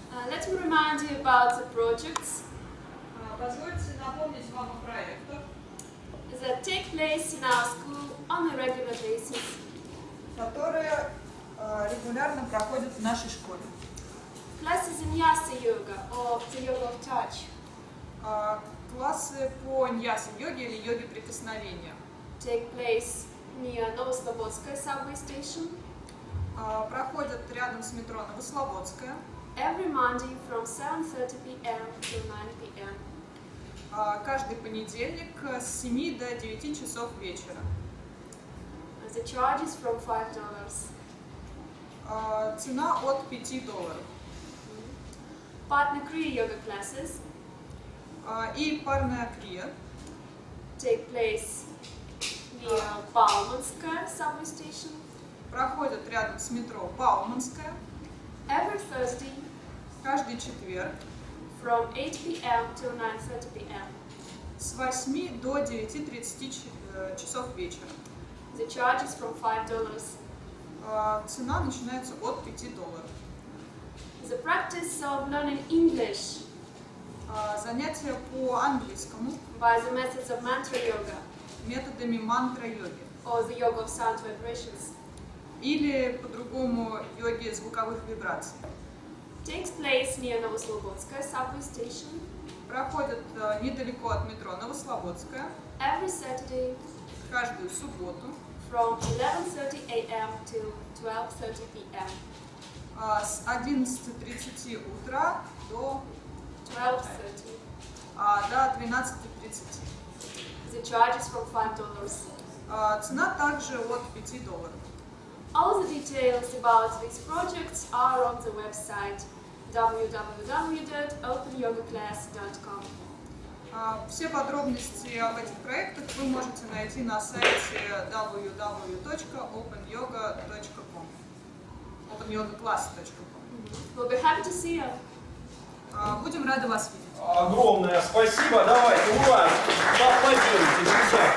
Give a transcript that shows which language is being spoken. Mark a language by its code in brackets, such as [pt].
[en] Let me remind you about the projects. [ru] Позвольте напомнить вам о проектах. [en] That take place in our school on a regular basis. [ru] Которые регулярно проходят в нашей школе. Классы ньяса йога, [en] or the yoga of touch. [ru] Классы по ньяса йоге или йоге прикосновения. [en] Take place near Новослободская subway station. [ru] Проходят рядом с метро Новослободская. [en] Every Monday from 7:30 p.m. to 9 p.m. [ru] Каждый понедельник с 7 до 9 часов вечера. [en] The charge is from $5. [ru] Цена от $5. [en] Partner Kriya Yoga classes. [ru] И парная Крия. [en] Take place near Bauманская subway station. [ru] Проходят рядом с метро Бауманская. [en] Every Thursday. [ru] Каждый четверг. [en] From 8 p.m. to 9:30 p.m. [ru] С 8 до 9:30 часов вечера. [en] The charge is from $5. [ru] Цена начинается от $5. [en] The practice of learning English. [ru] Занятия по английскому. [en] By the methods of mantra yoga. [ru] Методами мантра йоги. [en] Or the yoga of sound vibrations. [ru] Или по-другому йоги звуковых вибраций. [en] Takes place near Novoslobodskaya subway station. [ru] Проходит недалеко от метро Новослободская. [en] Every Saturday. [ru] Каждую субботу. [en] From 11:30 a.m. to 12:30 p.m. [ru] С 11:30 утра до 12:30. До 12:30. [en] The charge is from $5. [ru] Цена также от $5. [en] All the details about these projects are on the website www.openyogaclass.com. [ru] Все подробности об этих проектах вы можете найти на сайте www.openyoga.com. [en] We'll be happy to see you. [ru] Будем рады вас видеть. Огромное спасибо. Давайте, ура! Поаплодируйте, друзья.